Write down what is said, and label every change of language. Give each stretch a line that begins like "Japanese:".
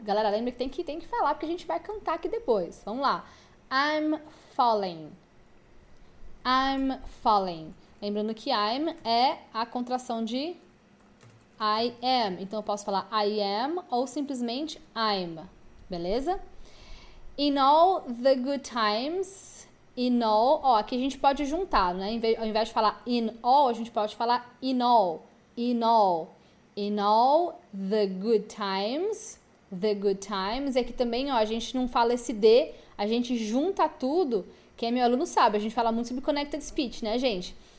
Portuguese: Galera, lembra que tem que falar porque a gente vai cantar aqui depois. Vamos lá.
English: I'm falling. I'm falling.
Portuguese: Lembrando que I'm é a contração de I am. Então eu posso falar I am ou simplesmente I'm. Beleza?
English: In all the good times, in all.
Portuguese: Ó, aqui a gente pode juntar, né? Ao invés de falar in all, a gente pode falar in all. In all. In all the good times, é que também, ó, a gente não fala esse D, a gente junta tudo, quem é meu aluno sabe, a gente fala muito sobre connected speech, né, gente?